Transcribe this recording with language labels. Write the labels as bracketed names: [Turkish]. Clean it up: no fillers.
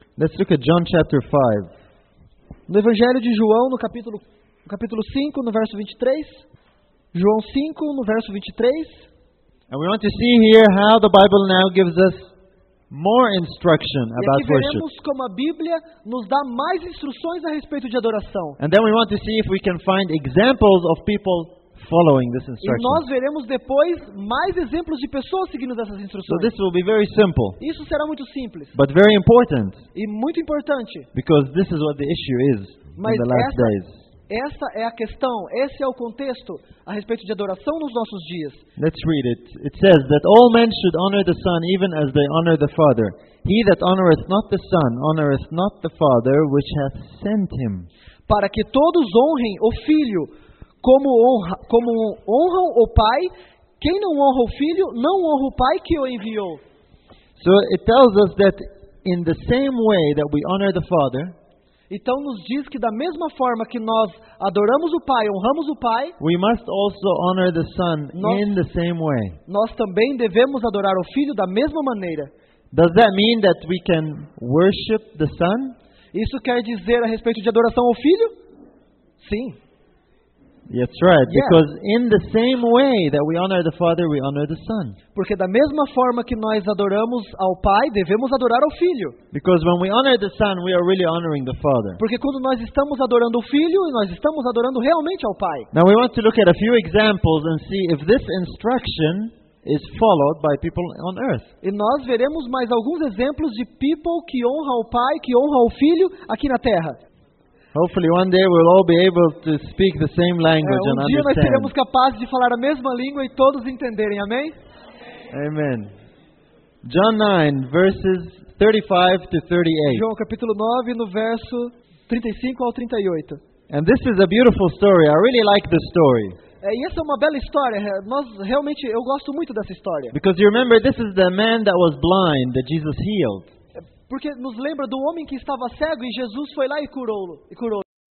[English] Let's look at John chapter 5. [Portuguese] No Evangelho de João, no capítulo 5, no verso 23. João 5, no verso 23. [English] And we want to see here how the Bible now gives us more instruction about worship. [Portuguese] E aqui veremos como a Bíblia nos dá mais instruções a respeito de adoração. [English] And then we want to see if we can find examples of people following this instruction. [Portuguese] E nós veremos depois mais exemplos de pessoas seguindo essas instruções. [English] So this will be very simple. [Portuguese] Isso será muito simples. [English] But very important. [Portuguese] E muito importante. [English] Because this is what the issue is [Portuguese] Mas [English] in the last days. [Portuguese] Essa é a questão, esse é o contexto a respeito de adoração nos nossos dias. [English] Let's read it. It says that all men should honor the Son even as they honor the Father. He that honoreth not the Son honoreth not the Father which hath sent him. [Portuguese] Para que todos honrem o Filho como honram o Pai, quem não honra o Filho não honra o Pai que o enviou. [English] So it tells us that in the same way that we honor the Father, [Portuguese] então nos diz que da mesma forma que nós adoramos o Pai, honramos o Pai, [English] we must also honor the Son in the same way. [Portuguese] Nós também devemos adorar o Filho da mesma maneira. [English] Does that mean that we can worship the Son? [Portuguese] Isso quer dizer a respeito de adoração ao Filho? Sim. [English] That's right, because in the same way that we honor the Father, we honor the Son. [Portuguese] Porque da mesma forma que nós adoramos ao Pai, devemos adorar ao Filho. [English] Because when we honor the Son, we are really honoring the Father. [Portuguese] Porque quando nós estamos adorando o Filho, nós estamos adorando realmente ao Pai. [English] Now we want to look at a few examples and see if this instruction is followed by people on earth. [Portuguese] E nós veremos mais alguns exemplos de people que honram o Pai, que honram o Filho aqui na Terra. [English] Hopefully one day we'll all be able to speak the same language and understand. [Portuguese] Um dia nós seremos capazes de falar a mesma língua e todos entenderem. Amém? [English] Amen. John 9, verses 35 to 38. [Portuguese] João capítulo 9, no verso 35 ao 38. [English] And this is a beautiful story. I really like the story. [Portuguese] E essa é uma bela história. Nós realmente, eu gosto muito dessa história. [English] Because you remember, this is the man that was blind that Jesus healed. [Portuguese] Porque nos lembra do homem que estava cego e Jesus foi lá e curou-o.